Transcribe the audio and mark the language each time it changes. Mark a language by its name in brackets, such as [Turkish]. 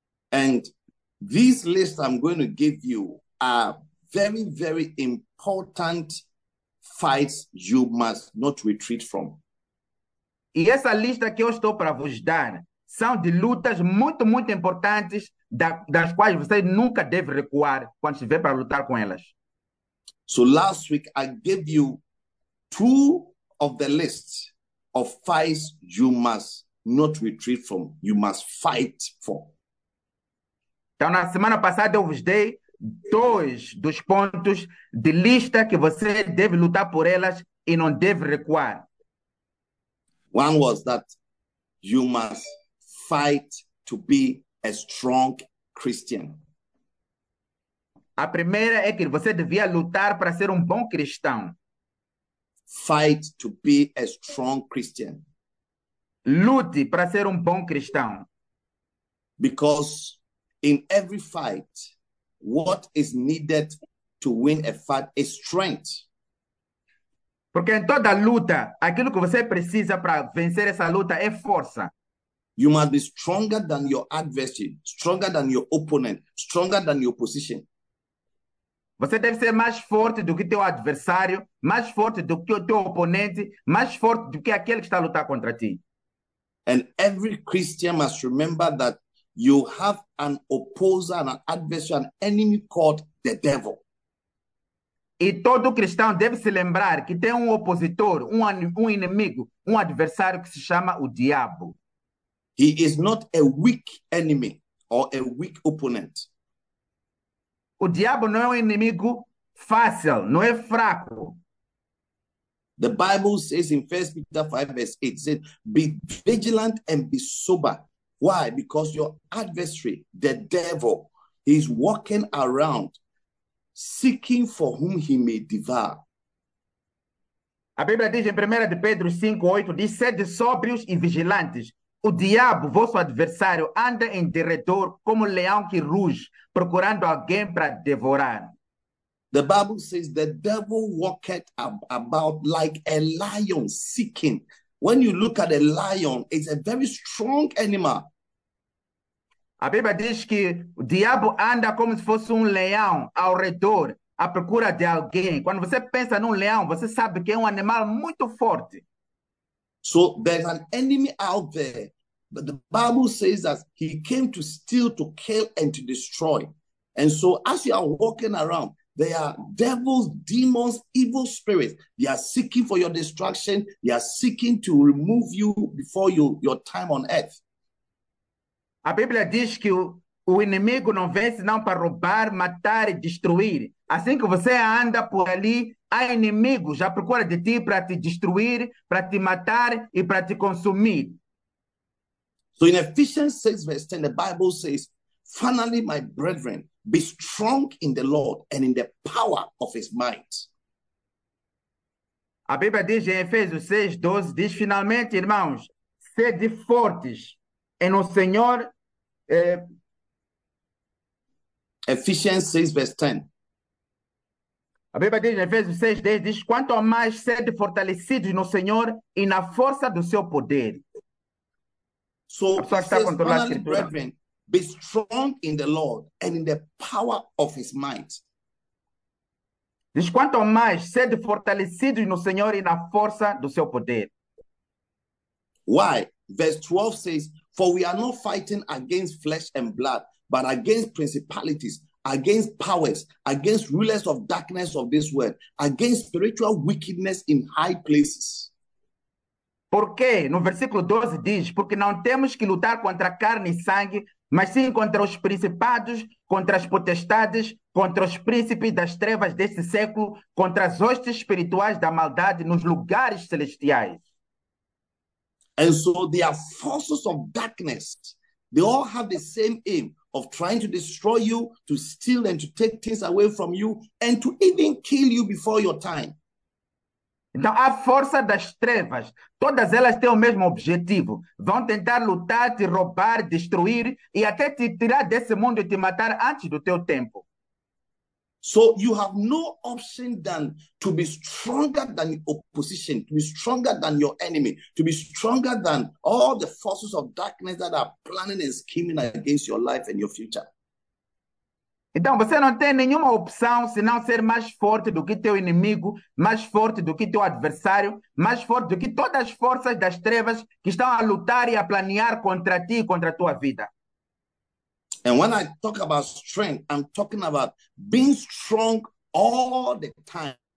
[English] And these lists I'm going to give you are very, very important fights you must not retreat from. [Portuguese] E essa lista que eu estou para vos dar são de lutas muito, muito importantes das quais você nunca deve recuar quando estiver para lutar com elas. [English] So last week I gave you two of the lists of fights you must not retreat from, you must fight for. [Portuguese] Então, na semana passada eu vos dei dois dos pontos de lista que você deve lutar por elas e não deve recuar. [English] One was that you must fight to be a strong Christian. [Portuguese] A primeira é que você devia lutar para ser bom cristão. [English] Fight to be a strong Christian. [Portuguese] Lute para ser bom cristão. [English] Because in every fight, what is needed to win a fight is strength. [Portuguese] Porque em toda luta, aquilo que você precisa para vencer essa luta é força. [English] You must be stronger than your adversary, stronger than your opponent, stronger than your position. [Portuguese] Você deve ser mais forte do que teu adversário, mais forte do que o teu oponente, mais forte do que aquele que está a lutar contra ti. [English] And every Christian must remember that you have an opposer, an adversary, an enemy called the devil. [Portuguese] E todo cristão deve se lembrar que tem opositor, inimigo, adversário que se chama o diabo. [English] He is not a weak enemy or a weak opponent. [Portuguese] O diabo não é inimigo fácil, não é fraco. [English] The Bible says in 1 Peter 5, verse 8, it says, be vigilant and be sober. Why? Because your adversary, the devil, is walking around seeking for whom he may devour. [Portuguese] A Bíblia diz em 1 Pedro 5, 8, diz, sede sóbrios e vigilantes. O diabo, vosso adversário, anda em derredor como leão que ruge, procurando alguém para devorar. [English] The Bible says the devil walketh about like a lion seeking. When you look at a lion, it's a very strong animal. [Portuguese] A Bíblia diz que o diabo anda como se fosse leão ao redor, à procura de alguém. Quando você pensa num leão, você sabe que é animal muito forte. [English] So there's an enemy out there, but the Bible says that he came to steal, to kill, and to destroy. And so as you are walking around, there are devils, demons, evil spirits. They are seeking for your destruction. They are seeking to remove you before your time on earth. [Portuguese] A Bíblia diz que o inimigo não vem senão para roubar, matar e destruir. Assim que você anda por ali, há inimigos à procura de ti para te destruir, para te matar e para te consumir. [English] So in Ephesians 6, verse 10, the Bible says, finally, my brethren, be strong in the Lord and in the power of his might. [Portuguese] A Bíblia diz em Efésios 6, 12, diz, finalmente, irmãos, sede fortes em o Senhor. [English] Ephesians 6, verse 10. [Portuguese] A Bíblia diz em Efésios 6, 10, diz, quanto mais sede fortalecidos no Senhor e na força do seu poder. [English] So, says, brethren, be strong in the Lord and in the power of his might. [Portuguese] Diz, quanto mais sede fortalecidos no Senhor e na força do seu poder. [English] Why? Verse 12 says, for we are not fighting against flesh and blood, but against principalities, against powers, against rulers of darkness of this world, against spiritual wickedness in high places. [Portuguese] Por quê? No versículo 12 diz, porque não temos que lutar contra carne e sangue, mas sim contra os principados, contra as potestades, contra os príncipes das trevas deste século, contra as hostes espirituais da maldade nos lugares celestiais. [English] And so they are forces of darkness. They all have the same aim. of trying to destroy you, to steal and to take things away from you, and to even kill you before your time. [Portuguese] Então, a força das trevas, todas elas têm o mesmo objetivo. Vão tentar lutar, te roubar, destruir e até te tirar desse mundo e te matar antes do teu tempo. [English] So you have no option than to be stronger than the opposition, to be stronger than your enemy, to be stronger than all the forces of darkness that are planning and scheming against your life and your future. [Portuguese] Então, você não tem nenhuma opção senão ser mais forte do que teu inimigo, mais forte do que teu adversário, mais forte do que todas as forças das trevas que estão a lutar e a planear contra ti e contra a tua vida. [English] And when I talk about strength, I'm talking about being strong all the time.